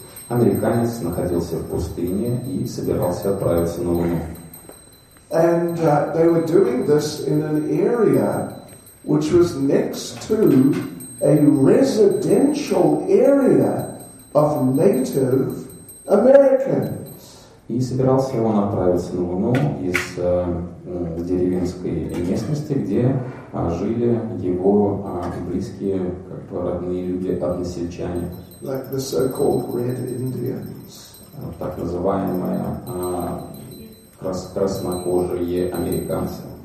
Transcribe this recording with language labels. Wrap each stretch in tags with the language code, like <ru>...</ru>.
<ru>Американец находился в пустыне и собирался отправиться на Луну.</ru> <en>And they were doing this in an area which was next to a residential area of Native Americans.</en> <ru>И собирался он отправиться на Луну из деревенской местности, где жили его близкие, как бы родные люди, односельчане.</ru> <en>Like the so-called Red Indians.</en> <ru>Так называемые краснокожие американцы.</ru>